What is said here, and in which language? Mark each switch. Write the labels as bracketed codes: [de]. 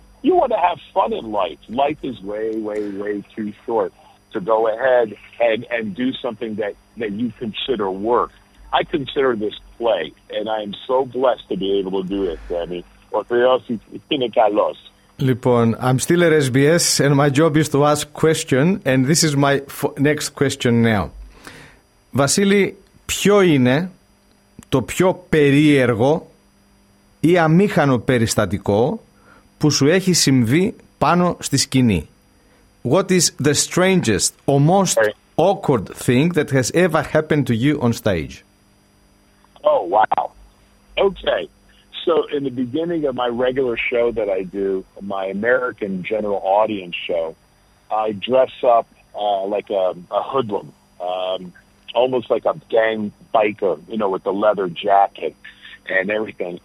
[en] You want to have fun in life. Life is way, way, way too short to go ahead and do something that you consider work. I consider this play, and I am so blessed to be able to do it, Femi. [el] O Theos είναι καλός. [en] Λοιπόν, I'm still at SBS, and my job is to ask question, and this is my next question now. [el] Βασίλη, ποιο είναι το πιο περίεργο ή αμήχανο περιστατικό που σου έχει συμβεί πάνω στη σκηνή? [en] What is the strangest or most awkward thing that has ever happened to you on stage? Oh, wow. Okay. So in the beginning of my regular show that I do, my American general audience show, I dress up like a hoodlum, almost like a gang biker, you know, with the leather jacket and everything.